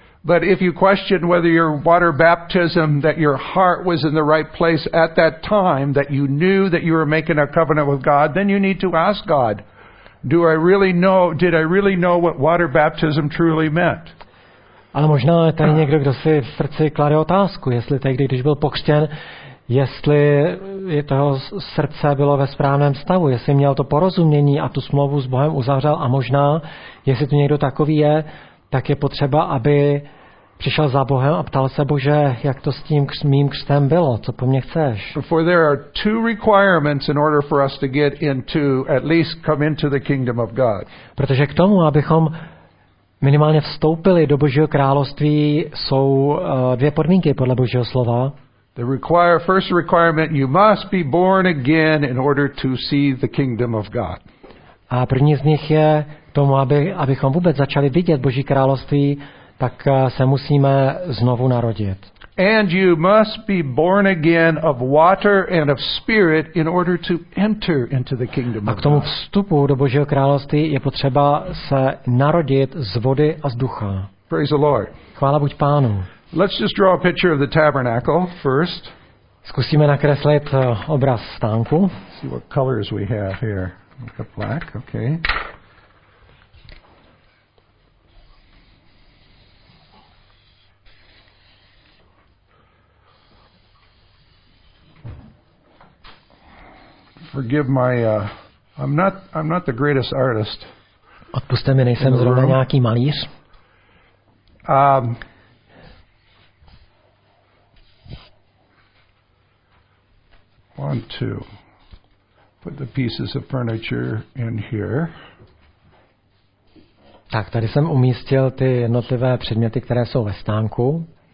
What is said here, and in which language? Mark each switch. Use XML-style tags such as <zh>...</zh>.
<en>But if you question whether your water baptism, that your heart was in the right place at that time, that you knew that you were making a covenant with God, then you need to ask God, did I really know what water baptism truly meant?</en> <cs>Ale možná tady někdo, kdo si v srdci klade otázku, jestli tehdy, když byl pokřtěn, jestli toho srdce bylo ve správném stavu, jestli měl to porozumění a tu smlouvu s Bohem uzavřel a možná, jestli tu někdo takový je, tak je potřeba, aby přišel za Bohem a ptal se Bože, jak to s tím mým křtem bylo, co po mně chceš.</cs> <en>For there are two requirements in order for us to get into, at least come into the kingdom of God.</en> <cs>Protože k tomu, abychom minimálně vstoupili do Božího království, jsou dvě podmínky podle Božího slova.</cs> <en>The first requirement, you must be born again in order to see the kingdom of God.</en> <cs>A první z nich je tomu, abychom vůbec začali vidět Boží království, tak se musíme znovu narodit.</cs> <en>And you must be born again of water and of spirit in order to enter into the kingdom of God.</en> <cs>A k tomu vstupu do Božího království je potřeba se narodit z vody a z ducha.</cs> <en>Praise the Lord.</en> <cs>Chvála buď Pánu.</cs> <en>Let's just draw a picture of the tabernacle first.</en> <cs>Zkusíme nakreslit obraz stánku.</cs> <en>Let's see what colors we have here. Look at black, okay. Forgive my I'm not the greatest artist.</en> <cs>Odpusťte mi, nejsem zrovna nějaký malíř. Um</cs> <en>want to put the pieces of furniture in here.</en> <cs>Tak, tady jsem umístil ty jednotlivé předměty, které jsou ve stánku.</cs>